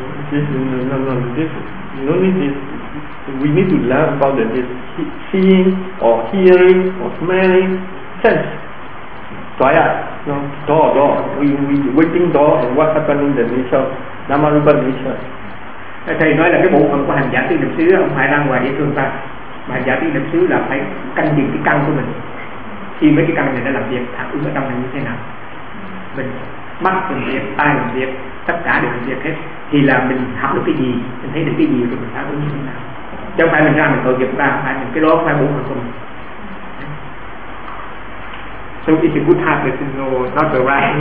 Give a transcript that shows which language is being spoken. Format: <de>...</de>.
<en>This is this. No need this. We need to learn about the this seeing or hearing or smelling sense. Toya, no, door. We waiting door and what happened in the nature, Nama Rupa nature.</en> <vi>Thầy nói là cái bộ phận của hành giả tu niệm xứ không phải ra ngoài để thương ta, mà hành giả tu niệm xứ là phải canh giữ cái căn của mình. Khi mấy cái căn này đã làm việc, phản ứng ở trong này như thế nào? Mình mắt làm việc, tai làm việc, tất cả đều làm việc hết. Thì là mình học được cái gì, mình thấy được cái gì rồi mình phản ứng như thế nào? Chứ không phải mình ra mình tội nghiệp ta, phải mình cái đó phải bộ phận của mình.</vi> <en>So it's a good habit to know, not the right.</en>